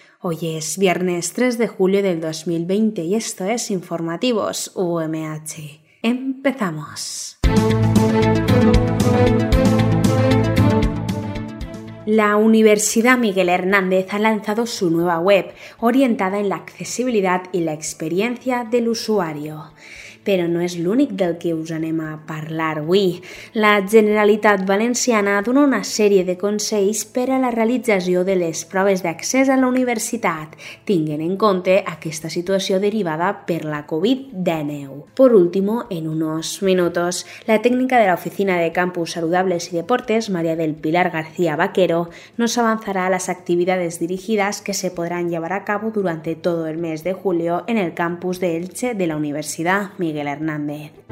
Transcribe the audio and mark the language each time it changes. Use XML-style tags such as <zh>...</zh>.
<es>Hoy es viernes 3 de julio del 2020 y esto es Informativos UMH. ¡Empezamos! La Universidad Miguel Hernández ha lanzado su nueva web, orientada en la accesibilidad y la experiencia del usuario.</es> <ca>Però no és l'únic del que us anem a parlar avui. La Generalitat Valenciana dona una sèrie de consells per a la realització de les proves d'accés a la universitat, tinguent en compte aquesta situació derivada per la Covid-19.</ca> <es>Por último, en unos minutos,</es> <ca>la tècnica de l'Oficina</ca> <es>de Campus Saludables i Deportes, María del Pilar García Vaquero, nos avanzará a las actividades dirigidas que se podrán llevar a cabo durante todo el mes de julio en el campus de Elche de la Universidad Miguel Hernández.</es>